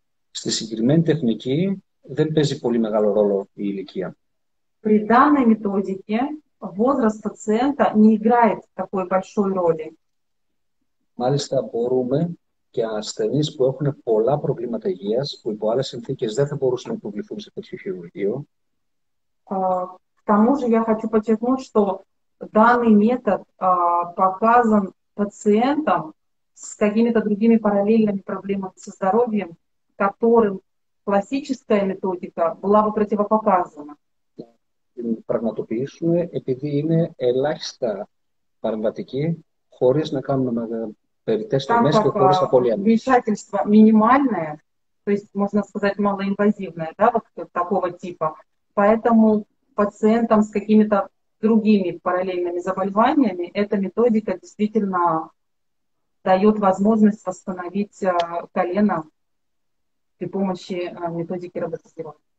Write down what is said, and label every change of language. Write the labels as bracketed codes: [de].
[el] Στη συγκεκριμένη τεχνική δεν παίζει πολύ μεγάλο ρόλο η ηλικία. [ru] При данной методике возраст пациента не играет такой большой роли. [el] Μάλιστα μπορούμε και ασθενείς που έχουν πολλά προβλήματα υγείας, που υπό άλλες συνθήκες δεν θα μπορούσαν να υποβληθούν σε τέτοιο χειρουργείο. [ru] К тому же я хочу подчеркнуть, что данный метод показан пациентам с какими-то другими параллельными проблемами со здоровьем, которым классическая методика была бы противопоказана. [el] Πραγματοποιήσουμε επειδή είναι ελάχιστα παρεμβατική, χωρίς να κάνουμε περιττές τομές και χωρίς απώλεια. [ru] Там вмешательство минимальное, то есть можно сказать малоинвазивное, да, вот такого типа. Поэтому пациентам с какими-то другими параллельными заболеваниями эта методика действительно дает возможность восстановить колено при помощи методики роботизации.